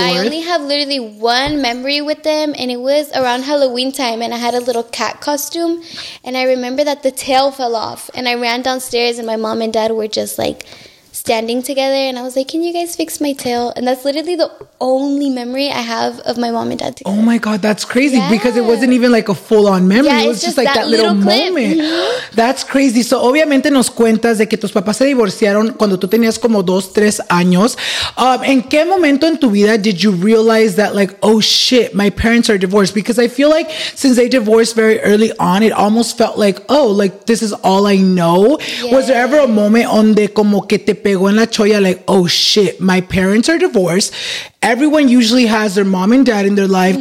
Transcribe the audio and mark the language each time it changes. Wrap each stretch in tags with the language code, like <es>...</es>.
<en>Yeah, but I only have literally one memory with them, and it was around Halloween time, and I had a little cat costume, and I remember that the tail fell off, and I ran downstairs, and my mom and dad were just like standing together, and I was like, can you guys fix my tail? And that's literally the only memory I have of my mom and dad together. Oh my god, that's crazy. Yeah. Because it wasn't even like a full-on memory. Yeah, it was just like that little moment. That's crazy.</en> <es>So obviamente nos cuentas de que tus papás se divorciaron cuando tú tenías como 2-3 años. ¿En qué momento en tu vida</es> <en>did you realize that, like, oh shit, my parents are divorced? Because I feel like since they divorced very early on, it almost felt like, oh, like this is all I know. Yeah. Was there ever a moment</en> <es>donde como que te pegó en la choya,</es> <en>like, oh shit, my parents are divorced? Everyone usually has their mom and dad in their life.</en>